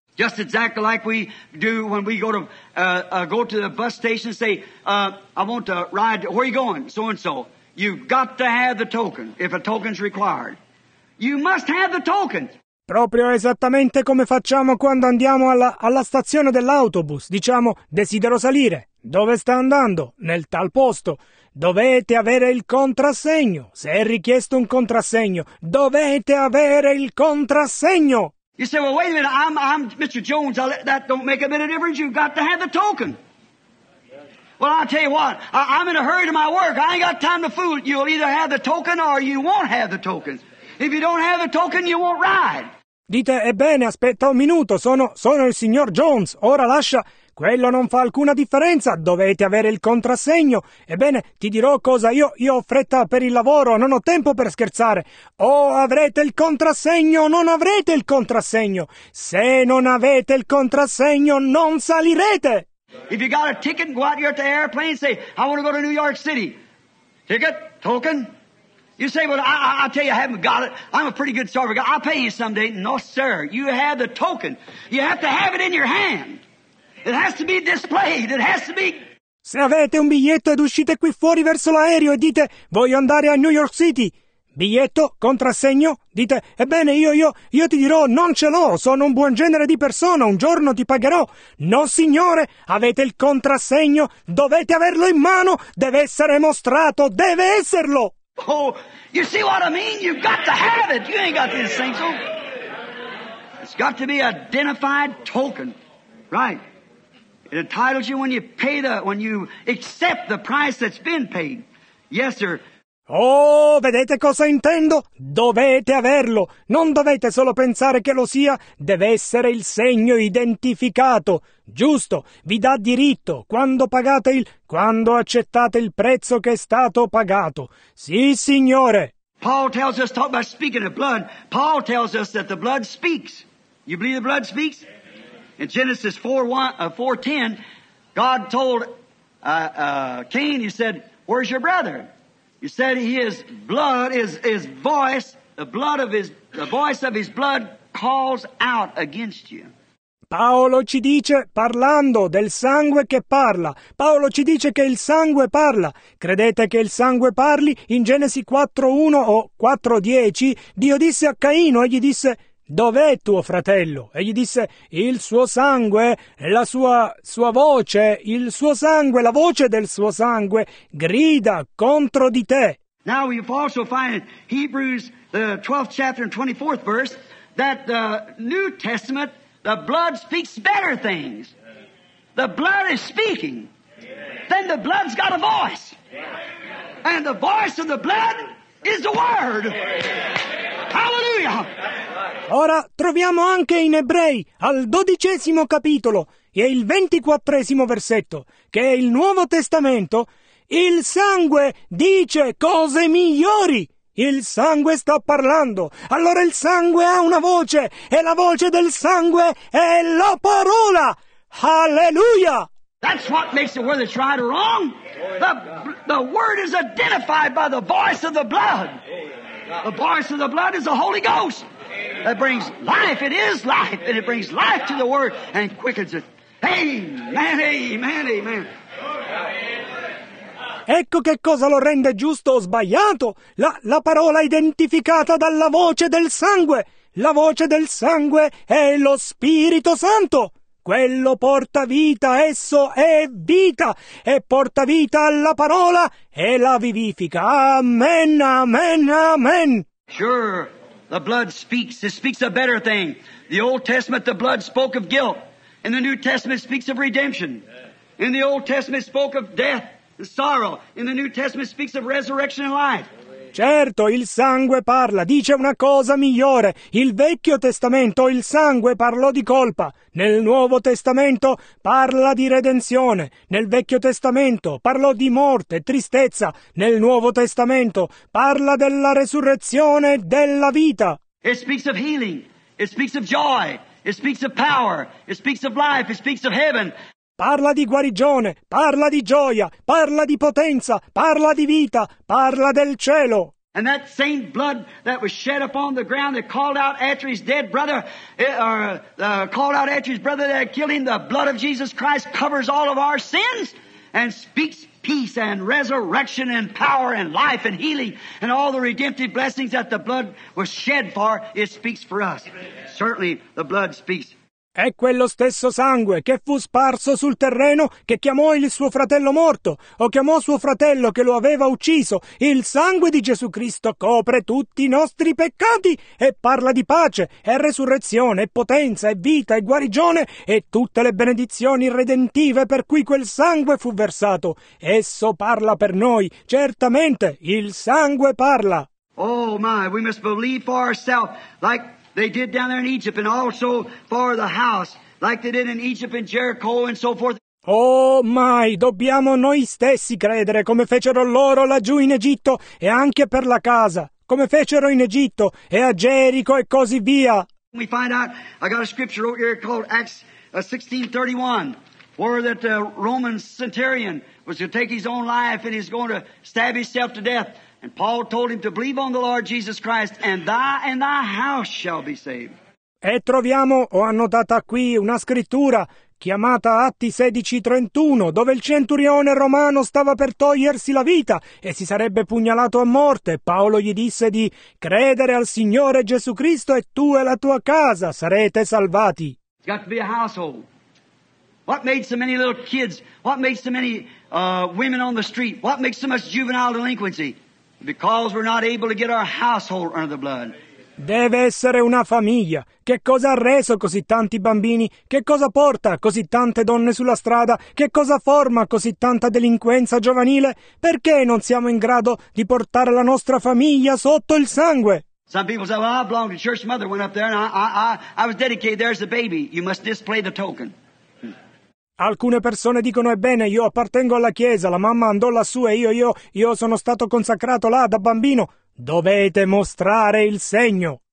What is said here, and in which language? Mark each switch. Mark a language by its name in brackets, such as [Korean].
[English] Just exactly like we do when we go to the bus station and say, I want to ride, where are you going, so and so. You've got to have the token, if a token's required. You must have the token. [Italian] Proprio esattamente come facciamo quando andiamo alla stazione dell'autobus. Diciamo, desidero salire. Dove sta andando? Nel tal posto. Dovete avere il contrassegno. Se è richiesto un contrassegno, dovete avere il contrassegno. [English] You say, well, wait a minute, I'm Mr. Jones, that don't make a bit of difference. You've got to have the token. Well, I'll tell you what, I'm in a hurry to my work. I ain't got time to fool. You'll either have the token or you won't have the token. If you don't have the token, you won't ride. [Italian] Dite, ebbene, aspetta un minuto, sono il signor Jones, ora lascia. Quello non fa alcuna differenza, dovete avere il contrassegno. Ebbene, ti dirò cosa, io ho fretta per il lavoro, non ho tempo per scherzare. O avrete il contrassegno, non avrete il contrassegno. Se non avete il contrassegno, non salirete. [English] If you got a ticket, go out here at the airplane and say, I want to go to New York City. Ticket, token. You say, well, I tell you, I haven't got it. I'm a pretty good server. I'll pay you someday. No, sir, you have the token. You have to have it in your hand. It has to be displayed. It has to be... [Italian] Se avete un biglietto ed uscite qui fuori verso l'aereo e dite, voglio andare a New York City. Biglietto, contrassegno, dite, ebbene, io ti dirò, non ce l'ho, sono un buon genere di persona, un giorno ti pagherò. No, signore, avete il contrassegno, dovete averlo in mano, deve essere mostrato, deve esserlo. [English] Oh, you see what I mean? You've got to have it. You ain't got this thing, so it's got to be an identified token, right? It entitles you when you accept the price that's been paid. Yes, sir. [Italian] Oh, vedete cosa intendo? Dovete averlo! Non dovete solo pensare che lo sia, deve essere il segno identificato! Giusto, vi dà diritto quando pagate il... quando accettate il prezzo che è stato pagato! Sì, signore! [English] Paul tells us, talk about speaking of blood, Paul tells us that the blood speaks. You believe the blood speaks? In Genesis 4:10, God told Cain, he said, where's your brother? He said his blood is his voice, the voice of his blood calls out against you. [Italian] Paolo ci dice, parlando del sangue che parla, Paolo ci dice che il sangue parla. Credete che il sangue parli? In Genesi 4:1 o 4:10, Dio disse a Caino e gli disse, dov'è tuo fratello? E gli disse, il suo sangue, la sua voce, il suo sangue, la voce del suo sangue, grida contro di te. [English] Now we also find Hebrews, the 12th chapter and 24th verse, that the New Testament, the blood speaks better things. The blood is speaking. Then the blood's got a voice. And the voice of the blood is the word. Hallelujah! [Italian] Ora troviamo anche in Ebrei, al 12° capitolo e il 24° versetto, che è il Nuovo Testamento, il sangue dice cose migliori. Il sangue sta parlando, allora il sangue ha una voce, e la voce del sangue è la parola! Alleluia! [English] That's what makes it whether it's right or wrong. The word is identified by the voice of the blood. The voice of the blood is the Holy Ghost. It brings life, it is life, and it brings life to the word and quickens it. Amen, amen, amen. [Italian] Ecco che cosa lo rende giusto o sbagliato. La parola identificata dalla voce del sangue. La voce del sangue è lo Spirito Santo. Quello porta vita, esso è vita. E porta vita alla parola e la vivifica. Amen, amen, amen. [English] Sure, the blood speaks. It speaks a better thing. The Old Testament, the blood spoke of guilt. In the New Testament, it speaks of redemption. In the Old Testament, it spoke of death. Sorrow in the New Testament speaks of resurrection and life. [Italian] Certo, il sangue parla, dice una cosa migliore. Il Vecchio Testamento il sangue parlò di colpa. Nel Nuovo Testamento parla di redenzione. Nel Vecchio Testamento parlò di morte, tristezza. Nel Nuovo Testamento parla della resurrezione e della vita. [English] It speaks of healing. It speaks of joy. It speaks of power. It speaks of life. It speaks of heaven. [Italian] Parla di guarigione, parla di gioia, parla di potenza, parla di vita, parla del cielo. [English] And that same blood that was shed upon the ground that called out after his dead brother, called out after his brother that killed him, the blood of Jesus Christ covers all of our sins and speaks peace and resurrection and power and life and healing and all the redemptive blessings that the blood was shed for, it speaks for us. Certainly the blood speaks. [Italian] È quello stesso sangue che fu sparso sul terreno che chiamò il suo fratello morto o chiamò suo fratello che lo aveva ucciso. Il sangue di Gesù Cristo copre tutti i nostri peccati e parla di pace e resurrezione e potenza e vita e guarigione e tutte le benedizioni redentive per cui quel sangue fu versato. Esso parla per noi. Certamente il sangue parla. [English] Oh my, we must believe for ourselves like they did down there in Egypt and also for the house, like they did in Egypt and Jericho and so forth. [Italian] Oh my, dobbiamo noi stessi credere come fecero loro laggiù in Egitto e anche per la casa, come fecero in Egitto e a Gerico e così via. [English] We find out, I got a scripture over here called Acts 16:31, where that the Roman centurion was to take his own life and he's going to stab himself to death. And Paul told him to believe on the Lord Jesus Christ, and thy house shall be saved. [Italian] E troviamo, ho annotata qui, una scrittura chiamata Atti 16:31, dove il centurione romano stava per togliersi la vita e si sarebbe pugnalato a morte. Paolo gli disse di credere al Signore Gesù Cristo e tu e la tua casa sarete salvati. [English] It's got to be a household. What made so many little kids, what made so many women on the street, what makes so much juvenile delinquency? Because we're not able to get our household under the blood. [Italian] Deve essere una famiglia. Che cosa ha reso così tanti bambini? Che cosa porta così tante donne sulla strada? Che cosa forma così tanta delinquenza giovanile? Perché non siamo in grado di portare la nostra famiglia sotto il sangue? [English] Some people say, well, I belong to church. Mother went up there and I was dedicated. There's the baby. You must display the token. [Italian] Alcune persone dicono, ebbene, io appartengo alla chiesa, la mamma andò lassù e io sono stato consacrato là da bambino. Dovete mostrare il segno.